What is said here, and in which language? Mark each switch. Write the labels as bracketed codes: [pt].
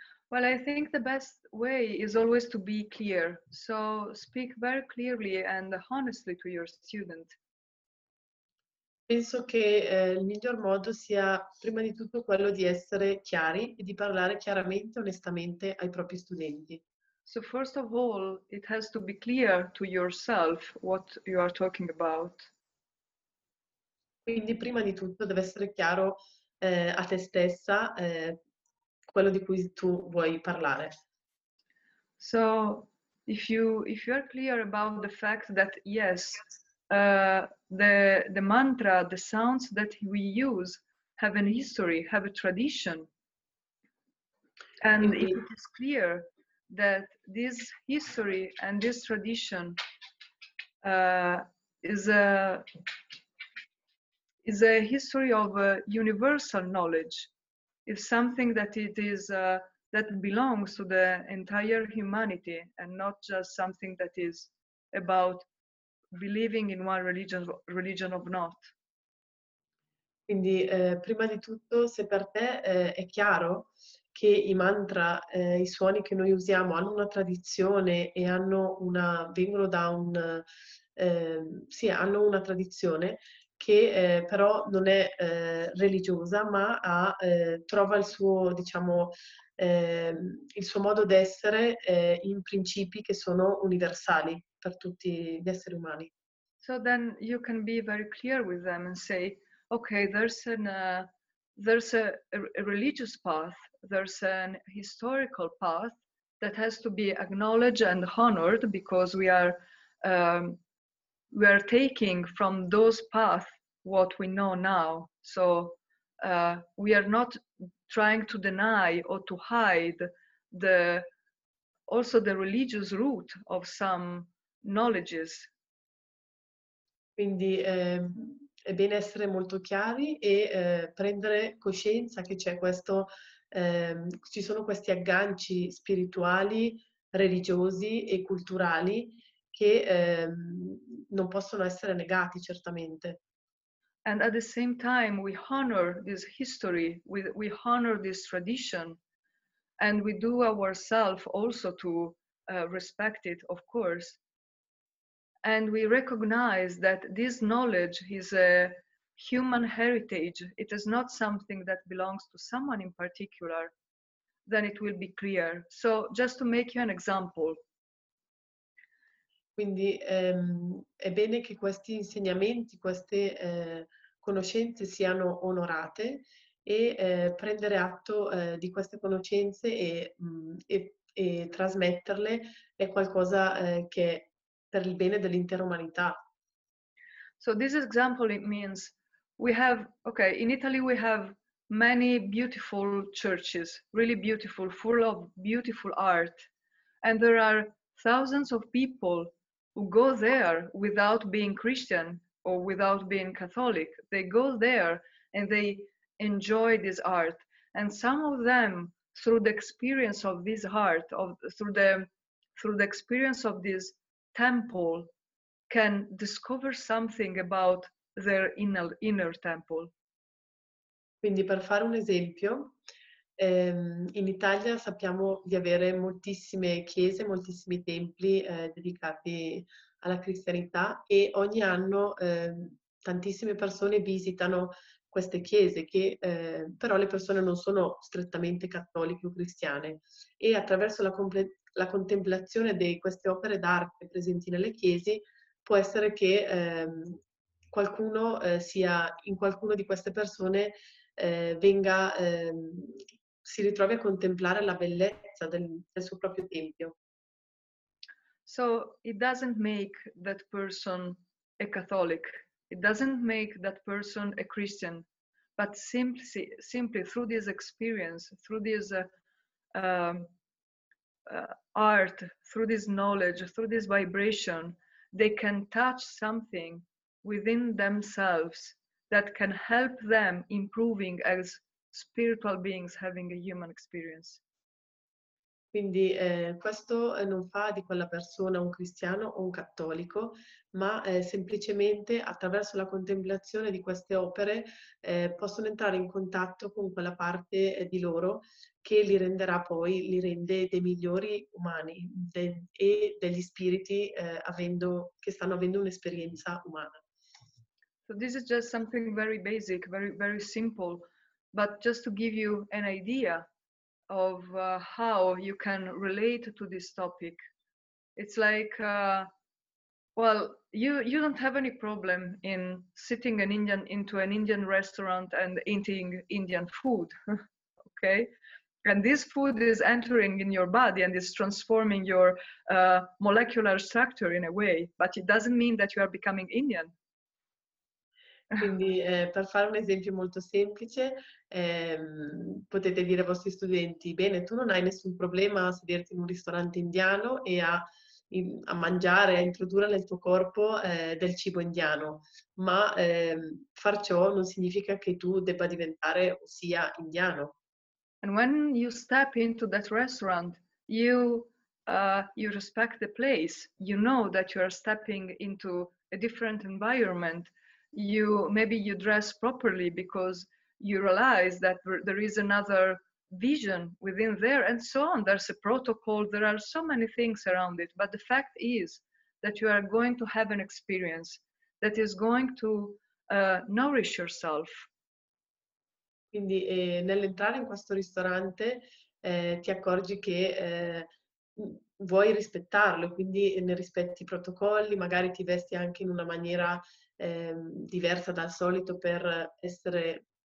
[en] Well, I think the best way is always to be clear. So speak very clearly and honestly to your student. [it] Penso che il miglior modo sia prima di tutto quello di essere chiari e di parlare chiaramente, onestamente ai propri studenti. [en] So first of all, it has to be clear to yourself what you are talking about. [it] Quindi prima di tutto deve essere chiaro a te stessa quello di cui tu vuoi parlare. [en] So if you are clear about the fact that yes, the mantra, the sounds that we use have a history, have a tradition. And if it is clear that this history and this tradition is a history of universal knowledge. It's something that it is that belongs to the entire humanity and not just something that is about believing in one religion or not. [it] Quindi prima di tutto, se per te è chiaro che i mantra, i suoni che noi usiamo hanno una tradizione e hanno una vengono da un sì, hanno una tradizione che però non è religiosa, ma trova il suo, diciamo, il suo modo d'essere in principi che sono universali per tutti gli esseri umani. [en] So then you can be very clear with them and say, okay, there's an there's a religious path, there's an historical path that has to be acknowledged and honored, because we are taking from those paths what we know now. So we are not trying to deny or to hide the also the religious root of some knowledges. [it] Quindi è bene essere molto chiari e prendere coscienza che c'è questo, ci sono questi agganci spirituali, religiosi e culturali che non possono essere negati certamente. [en] And at the same time we honor this history, we honor this tradition, and we do ourselves also to respect it, of course. And we recognize that this knowledge is a human heritage. It is not something that belongs to someone in particular. Then it will be clear. So just to make you an example. [it] Quindi è bene che questi insegnamenti, queste conoscenze siano onorate e prendere atto di queste conoscenze e trasmetterle è qualcosa che per il bene dell'intera umanità. [en] So this example, it means we have, okay, in Italy we have many beautiful churches, really beautiful, full of beautiful art, and there are thousands of people who go there without being Christian or without being Catholic. They go there and they enjoy this art, and some of them, through the experience of this art, of through the experience of this temple, can discover something about their inner temple. [it] Quindi, per fare un esempio, in Italia sappiamo di avere moltissime chiese, moltissimi templi dedicati alla cristianità, e ogni anno tantissime persone visitano queste chiese, che però le persone non sono strettamente cattoliche o cristiane, e attraverso la contemplazione di queste opere d'arte presenti nelle chiese, può essere che qualcuno sia, in qualcuno di queste persone venga, si ritrovi a contemplare la bellezza del suo proprio tempio. [en] So it doesn't make that person a Catholic, it doesn't make that person a Christian, but simply through this experience, through this art, through this knowledge, through this vibration, they can touch something within themselves that can help them improving as spiritual beings having a human experience. [it] Quindi questo non fa di quella persona un cristiano o un cattolico, ma semplicemente attraverso la contemplazione di queste opere possono entrare in contatto con quella parte di loro che li renderà poi, li rende dei migliori umani e degli spiriti che stanno avendo un'esperienza umana. [en] So this is just something very basic, very, very simple, but just to give you an idea of how you can relate to this topic. It's like, well, you don't have any problem in sitting into an Indian restaurant and eating Indian food, okay? And this food is entering in your body and is transforming your molecular structure in a way, but it doesn't mean that you are becoming Indian. [it] Quindi per fare un esempio molto semplice, potete dire ai vostri studenti: bene, tu non hai nessun problema a sederti in un ristorante indiano e a mangiare, a introdurre nel tuo corpo del cibo indiano, ma far ciò non significa che tu debba diventare sia indiano. [en] And when you step into that restaurant, you respect the place, you know that you are stepping into a different environment. Maybe you dress properly because you realize that there is another vision within there, and so on. There's a protocol, there are so many things around it, but the fact is that you are going to have an experience that is going to nourish yourself. [it] Quindi nell'entrare in questo ristorante ti accorgi che vuoi rispettarlo, quindi ne rispetti i protocolli, magari ti vesti anche in una maniera diversa dal solito per essere